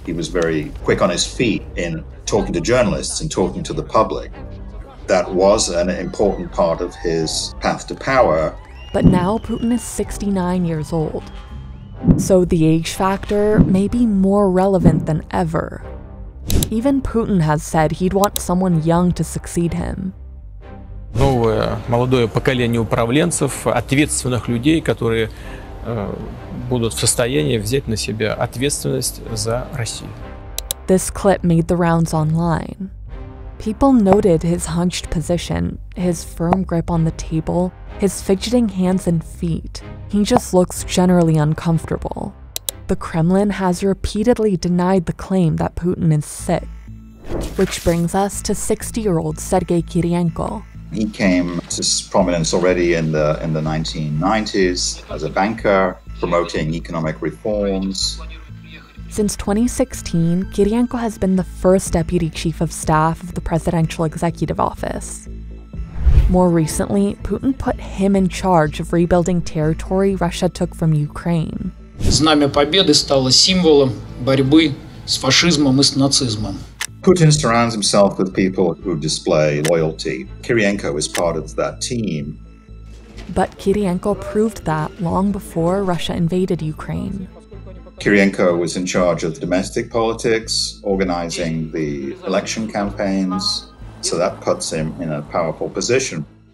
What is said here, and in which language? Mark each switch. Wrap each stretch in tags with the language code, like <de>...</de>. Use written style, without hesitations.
<en>He was very quick on his feet in talking to journalists and talking to the public. That was an important part of his path to power. But now Putin is 69 years old. So the age factor may be more relevant than ever. Even Putin has said he'd want someone young to succeed him.</en> <ru>Новое молодое поколение управленцев, ответственных людей, которые будут в состоянии взять на себя ответственность за Россию.</ru> <en>This clip made the rounds online. People noted his hunched position, his firm grip on the table, his fidgeting hands and feet. He just looks generally uncomfortable. The Kremlin has repeatedly denied the claim that Putin is sick. Which brings us to 60-year-old Sergei Kirienko. He came to prominence already in the 1990s as a banker, promoting economic reforms. Since 2016, Kirienko has been the first deputy chief of staff of the presidential executive office. More recently, Putin put him in charge of rebuilding territory Russia took from Ukraine.</en> <ru>Знамя Победы стало символом борьбы с фашизмом и с нацизмом.</ru> <en>Putin surrounds himself with people who display loyalty. Kirienko is part of that team. But Kirienko proved that long before Russia invaded Ukraine. Kirienko was in charge of domestic politics, organizing the election campaigns, so that puts him in a powerful position.</en>